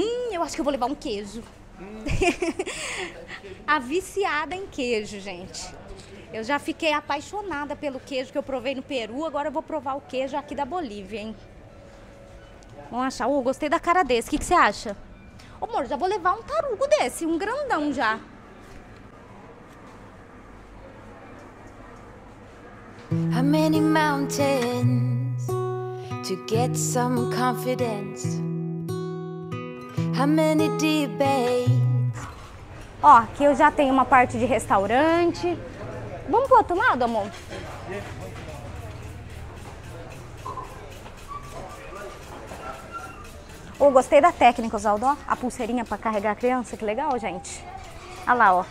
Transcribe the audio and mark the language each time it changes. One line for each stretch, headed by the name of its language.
Portuguese: Eu acho que eu vou levar um queijo. A viciada em queijo, gente. Eu já fiquei apaixonada pelo queijo que eu provei no Peru, agora eu vou provar o queijo aqui da Bolívia, hein? Vamos achar. Gostei da cara desse. O que você acha? Ô, amor, já vou levar um tarugo desse, um grandão já.
English: How many mountains to get some confidence? How many debates?
Portuguese: Ó, aqui eu já tenho uma parte de restaurante. Vamos pro outro lado, amor? Oh, gostei da técnica, Osvaldo. A pulseirinha pra carregar a criança, que legal, gente. Olha lá, ó.